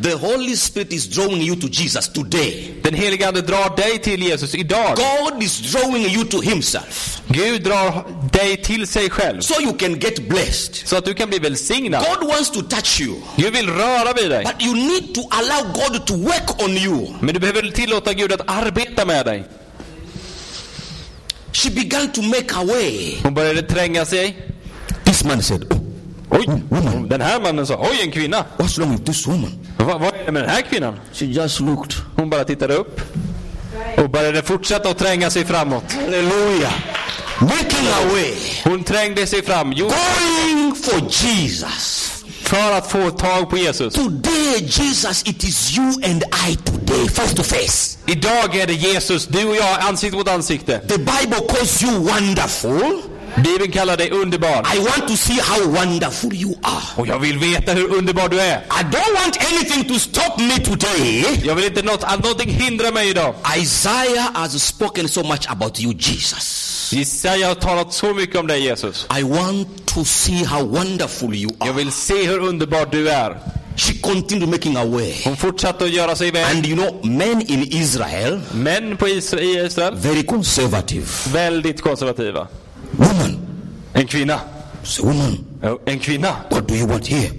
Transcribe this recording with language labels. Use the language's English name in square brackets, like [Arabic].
[English] The Holy Spirit is drawing you to Jesus today. [Swedish] Den helige ande drar dig till Jesus idag. [English] God is drawing you to himself. [Swedish] Gud drar dig till sig själv. [English] So you can get blessed. [Swedish] Så att du kan bli välsignad. [English] God wants to touch you. [Swedish] Gud vill röra vid dig. [English] But you need to allow God to work on you. [Swedish] Men du behöver tillåta Gud att arbeta med dig. [English] She began to make her way. [Swedish] Hon började tränga sig. [English] This man said, oj, woman. [Swedish] Den här mannen sa, oj, en kvinna. [English] What's wrong with this woman? [Swedish] Vad är det med den här kvinnan? [English] She just looked. [Swedish] Hon bara tittade upp. Och började fortsätta att tränga sig framåt. [English] Halleluja. Making her way. [Swedish] Hon trängde sig fram. [English] Going for Jesus. [Swedish] för att få tag på Jesus. [English] Today, Jesus, it is you and I today, face to face. [Swedish] Idag är det Jesus, du och jag, ansikte mot ansikte. [English] The Bible calls you wonderful. [Swedish] Bibeln kallar dig underbar. [English] I want to see how wonderful you are. [Swedish] Och jag vill veta hur underbar du är. [English] I don't want anything to stop me today. [Swedish] Jag vill inte något, att någonting hindra mig idag. [English] Isaiah has spoken so much about you, Jesus. [Swedish] Isaiah har talat så mycket om dig, Jesus. [English] I want to see how wonderful you are. [Swedish] Jag vill se hur underbar du är. [English] She continued making her way. [Swedish] Hon fortsatte att göra sig väl. [English] And you know, men in Israel, [Swedish] män på Israel, [English] very conservative. [Swedish] Väldigt konservativa. [English] Woman. [Swedish] En kvinna. [English] Woman. [Swedish] En kvinna. [English] What do you want here?